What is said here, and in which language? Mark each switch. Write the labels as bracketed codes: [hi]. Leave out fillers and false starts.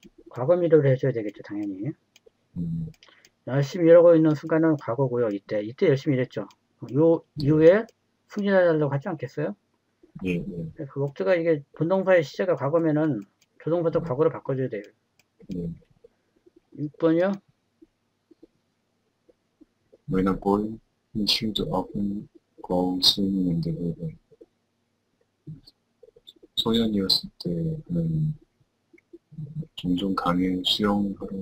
[ko] 과거 미래로 해줘야 되겠죠, 당연히. 열심히 일하고 있는 순간은 과거고요, 이때. 이때 열심히 일했죠. 요 이후에 승진하려고 하지 않겠어요? 목적이 이게 본동사의 시제가 과거면은 조동사도 과거로 바꿔줘야 돼요. 6번이요? [en] When a boy, he should often go swimming in the river. [ko] 소년이었을 때는 종종 강에 수영하러